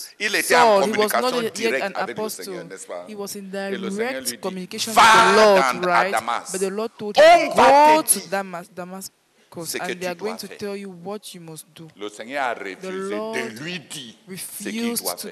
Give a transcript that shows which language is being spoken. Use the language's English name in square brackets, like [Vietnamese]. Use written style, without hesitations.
[French] Il était en communication directe avec le Seigneur, n'est-ce pas? [English] He was in direct communication with the Lord, right? But the Lord told him, go to Damascus. And they are going to tell you what you must do. [French] Le Seigneur a refusé de lui dire ce qu'il doit faire.